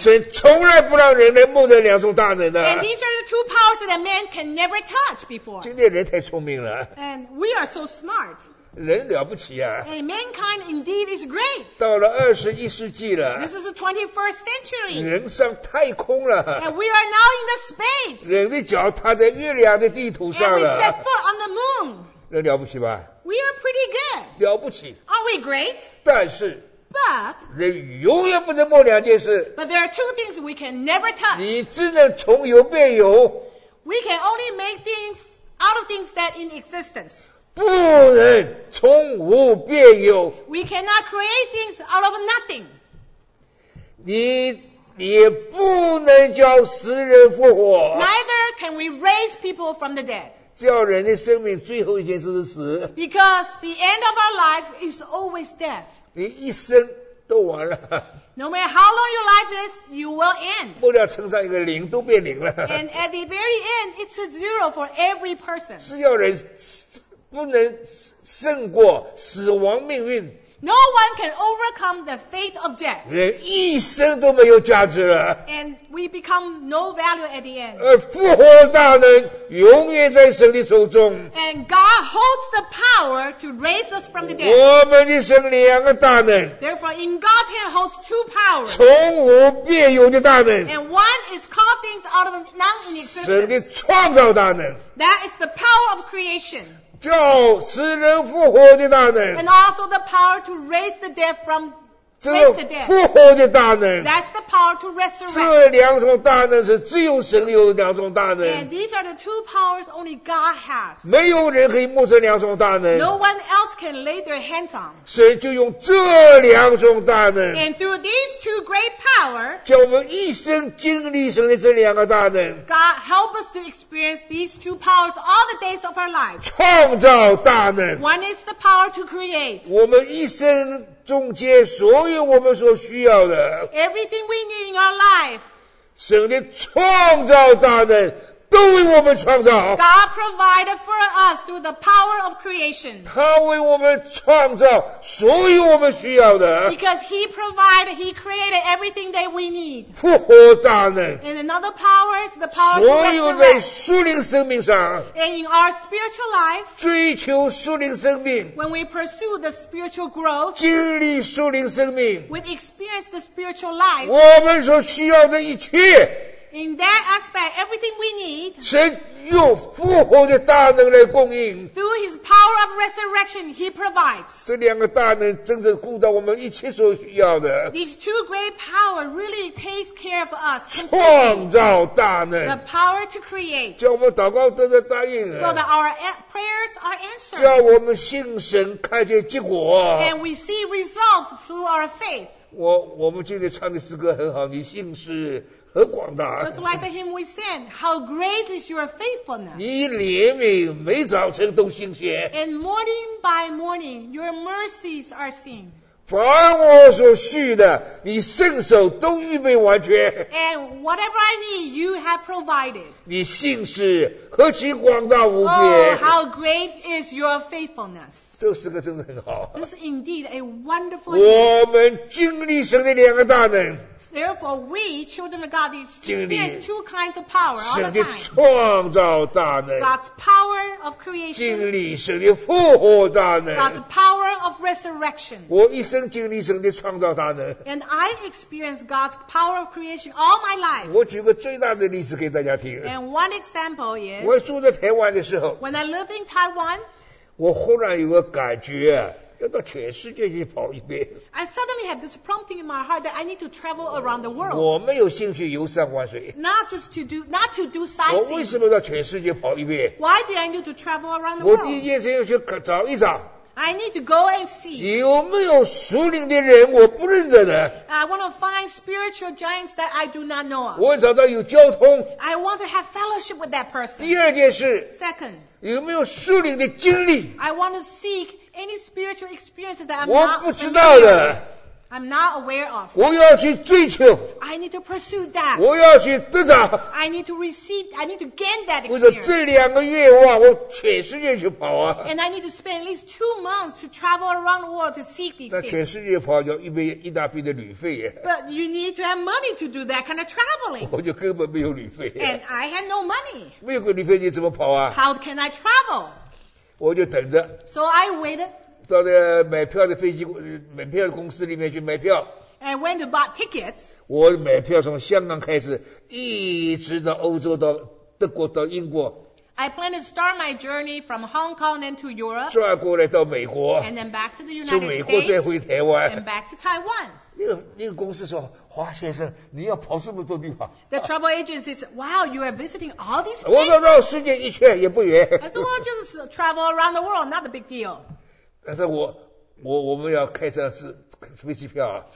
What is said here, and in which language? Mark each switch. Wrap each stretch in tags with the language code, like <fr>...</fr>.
<zh>神从来不让人来摸这两种大能的</zh> <en>and these are the two powers that man can never touch before</en> <zh>今天人太聪明了</zh> <en>and we are so smart</en> <zh>人了不起啊</zh> <en>and mankind indeed is great</en> <zh>到了二十一世纪了</zh> <en>this is the 21st century</en> <zh>人上太空了</zh> <en>and we are now in the space</en> <zh>人的脚踏在月亮的地图上了</zh> <en>and we set foot on the moon</en> <zh>人了不起吧</zh> <en>we are pretty good</en> <zh>了不起</zh> <en>are we great</en> <zh>但是</zh> <en>but</en> <zh>人永远不能摸两件事</zh> <en>but there are two things we can never touch</en> <zh>你只能从有变有</zh> <en>we can only make things out of things that in existence</en> <zh>不能从无变有。</zh> <en>We cannot create things out of nothing.</en> <zh>你也不能叫死人复活。</zh> <en>Neither can we raise people from the dead.</en> <zh>叫人的生命最后一件事是死。</zh> <en>Because the end of our life is always death.</en> <zh>你一生都完了。</zh> <en>No matter how long your life is, you will end.</en> <zh>末了称上一个零都变零了。</zh> <en>And at the very end, it's a zero for every person.</en> <zh>是要人不能胜过死亡命运。</zh> <en>No one can overcome the fate of death.</en> <zh>人一生都没有价值了。</zh> <en>And we become no value at the end.</en> <zh>而复活大能永远在神的手中。</zh> <en>And God holds the power to raise us from the dead.</en> <zh>我们的神两个大能。</zh> <en>Therefore, in God's hand holds two powers.</en> <zh>从无变有的大能。</zh> <en>And one is called things out of non-existence.</en> <zh>神的创造大能。</zh> <en>That is the power of creation.</en> <zh>叫死人复活的大能</zh> <en>and also the power to raise the dead from raise the dead</en> <zh>这复活的大能</zh> <en>that's the power to resurrect</en> <zh>这两种大能是只有神有两种大能</zh> <en>and these are the two powers only God has</en> <zh>没有人可以摸这两种大能</zh> <en>no one else can lay their hands on</en> <zh>神就用这两种大能</zh> <en>and through these two great power</en> <zh>叫我们一生经历神的这两个大能</zh> <en>God help us to experience these two powers all the days of our life</en> <zh>创造大能</zh> <en>one is the power to create</en> <zh>我们一生中间所有我们所需要的</zh> <en>Everything we need in our life</en> <zh>神的创造大能都为我们创造。</zh> <en>God provided for us through the power of creation.</en> <zh>他为我们创造所有我们需要的。</zh> <en>Because He provided, He created everything that we need.</en> <zh>复活大能。</zh> <en>And another power is the power to resurrect.</en> <zh>所有在属灵生命上。</zh> <en>And in our spiritual life.</en> <zh>追求属灵生命。</zh> <en>When we pursue the spiritual growth.</en> <zh>经历属灵生命。</zh> <en>We experience the spiritual life.</en> <zh>我们所需要的一切。</zh> <en>In that aspect, everything we need,</en> <zh>神用复活的大能来供应。</zh> <en>Through His power of resurrection, He provides.</en> <zh>这两个大能真正顾到我们一切所需要的。</zh> <en>These two great powers really take care of us.</en> <zh>创造大能。</zh> <en>The power to create.</en> <zh>叫我们祷告得到答应。</zh> <en>So that our prayers are answered.</en> <zh>叫我们信神看见结果。</zh> <en>And we see results through our faith.</en> <zh>我们今天唱的诗歌很好，你信是很广大。</zh> <en>Just like the hymn we sang, how great is your faithfulness.</en> <zh>你怜悯每早晨都新鲜。</zh> <en>And morning by morning, your mercies are seen.</en> <zh>凡我所需的，你圣手都预备完全。</zh> <en>And whatever I need, you have provided.</en> <zh>你信是何其广大无边。</zh> <en>Oh, how great is your faithfulness.</en> <zh>这诗歌真是很好。</zh> <en>This is indeed a wonderful hymn.</en> <zh>我们经历神的两个大能。</zh> <en>Therefore, we, children of God, experience two kinds of power all the time.</en> <zh>神的创造大能。</zh> <en>God's power of creation.</en> <zh>经历神的复活大能。</zh> <en>God's power of resurrection.</en> <zh>我一生经历神的创造大能。</zh> <en>And I experience God's power of creation all my life.</en> <zh>我举个最大的例子给大家听。</zh> <en>And one example is,</en> <zh>我住在台湾的时候</zh> <en>When I live in Taiwan,</en> <zh>我忽然有个感觉要到全世界去跑一遍</zh> <en>I suddenly have this prompting in my heart that I need to travel around the world</en> <zh>我没有兴趣游山玩水</zh> <en>not to do sightseeing</en> <zh>我为什么到全世界跑一遍</zh> <en>Why did I need to travel around the world</en> <zh>我第一件事要去找一找</zh> <en>I need to go and see</en> <zh>有没有属灵的人我不认得的</zh> <en>I want to find spiritual giants that I do not know of</en> <zh>我找到有交通</zh> <en>I want to have fellowship with that person</en> <zh>第二件事</zh> <en>Second</en> <zh>有没有属灵的经历</zh> <en>I want to seek any spiritual experiences that I'm</en> <zh>我不知道的</zh> <en>I'm not aware of</en> <zh>我要去追求</zh> <en>I need to pursue that</en> <zh>我要去得到</zh> <en>I need to receive I need to gain that experience</en> <zh>为了这两个愿望我全世界去跑啊</zh> <en>And I need to spend at least 2 months to travel around the world to seek these things</en> <zh>那全世界跑要一大笔的旅费</zh> <en>But you need to have money to do that kind of traveling</en> <zh>我就根本没有旅费</zh> <en>And I had no money</en> <zh>没有旅费你怎么跑啊</zh> <en>How can I travel?</en> <zh>我就等着</zh> <en>So I waited</en> <zh>到了买票的飞机买票的公司里面去买票</zh> <en>I went to buy tickets</en> <zh>我买票从香港开始一直到欧洲到德国到英国</zh> <en>I planned to start my journey from Hong Kong and to Europe</en> <zh>转过来到美国</zh> <en>And then back to the United States</en> <zh>从美国再回台湾</zh> <en>And back to Taiwan</en> <zh>那个公司说华先生你要跑这么多地方</zh> <en>The travel agency says Wow you are visiting all these places</en> <zh>我说绕世界一圈也不远</zh> <en>I said well just travel around the world Not a big deal</en> <zh>但是我们要开车是飞机票、啊、</zh>